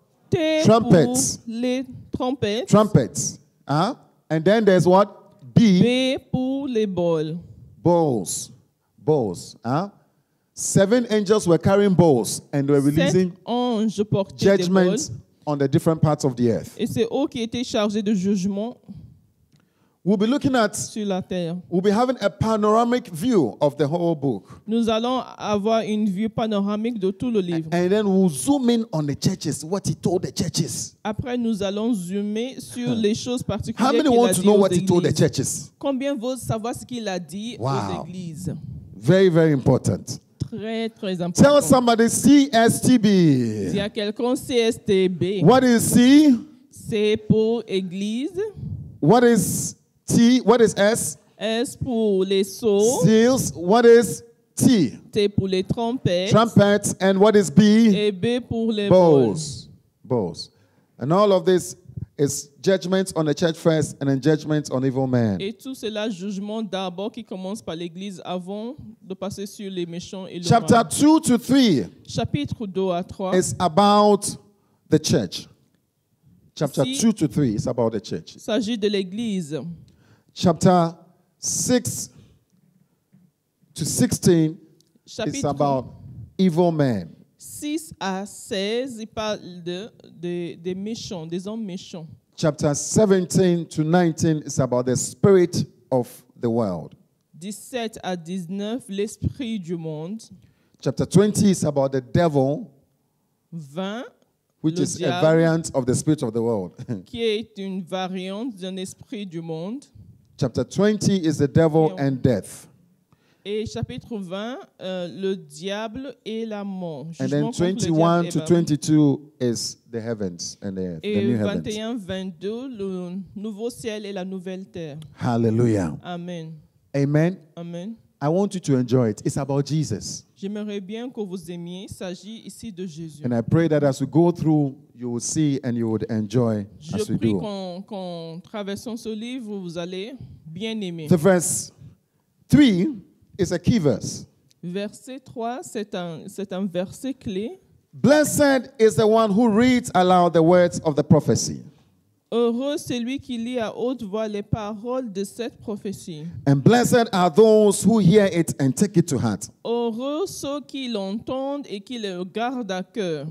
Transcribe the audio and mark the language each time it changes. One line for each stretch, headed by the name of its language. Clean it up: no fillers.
English: T trumpets.
French: Pour les trompettes.
English: Trumpets. Huh? And then there's what? B.
French: B pour les bowls.
English: Bowls. bowls. Huh? Seven angels were carrying bowls and were releasing judgment on the different parts of the earth.
French: Et c'est eux qui étaient chargés de jugement.
English: We'll be looking at,
French: sur la terre.
English: We'll be having a panoramic view of the whole book.
French: Nous allons avoir une vue panoramique de tout le livre.
English: And then we'll zoom in on the churches, what he told the churches.
French: Après, nous allons zoomer sur les choses particulières.
English: How many want to know what he told the churches?
French: Combien veulent savoir ce qu'il a dit aux églises?
English: Very, very important.
French: Très, très important.
English: Tell somebody CSTB.
French: Dis à quelqu'un CSTB.
English: What is C?
French: C'est pour église.
English: What is T? What is S?
French: S pour les sceaux.
English: Seals. What is T?
French: T pour les trompettes.
English: Trumpets. And what is B?
French: Et B pour les bowls.
English: Bowls. And all of this is judgment on the church first and then judgment on evil men.
French: Et tout cela, jugement d'abord qui commence par l'église avant de passer sur les méchants et le
English: chapter
French: mal.
English: 2 to 3.
French: Chapitre 2 à 3.
English: Is about the church. Chapter 2 to 3 is about the church.
French: Il s'agit de l'église.
English: Chapter 6 to 16 is about evil men.
French: 6 à 16, il parle de méchants, des hommes méchants.
English: Chapter 17 to 19 is about the spirit of the world.
French: 17 à 19, l'esprit du monde.
English: Chapter 20 is about the devil.
French: 20.
English: Which
French: le
English: is a variant of the spirit of the world.
French: Qui est une variante d'un esprit du monde.
English: Chapter 20 is the devil and death.
French: Et chapitre 20, le diable et la mort.
English: Jugement and then 21 to 22 is the heavens and the
French: et
English: new
French: 21,
English: heavens.
French: 22, le nouveau ciel et la nouvelle terre.
English: Hallelujah. Amen. Amen. Amen. I want you to enjoy it. It's about Jesus.
French: J'aimerais bien que vous aimiez. Il s'agit ici de Jésus.
English: And I pray that as we go through, you will see and you would enjoy
French: je
English: as we
French: prie
English: do.
French: Qu'en traversant ce livre, vous allez bien aimer.
English: The verse 3 is a key verse.
French: Verset 3, c'est un verset clé.
English: Blessed is the one who reads aloud the words of the prophecy.
French: Heureux celui qui lit à haute voix les paroles de cette prophétie.
English: And blessed are those who hear it and take it to heart.
French: Heureux ceux qui l'entendent et qui le gardent à cœur.